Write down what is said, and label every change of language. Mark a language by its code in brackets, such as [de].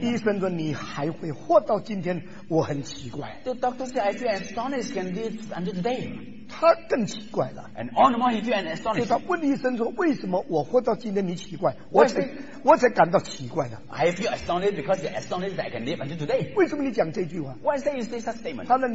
[zh] 医生说你还会活到今天，我很奇怪。 [en] The doctor said, I feel astonished and this until today. [zh] 他更奇怪了。 [en] And on more, he feel an astonishment. [zh] 所以他问医生说，为什么我活到今天你奇怪，我才感到奇怪呢？ [en] I feel astonished because you're astonished that I can live until today. [zh] 为什么你讲这句话？ [en] Why say you say such statement?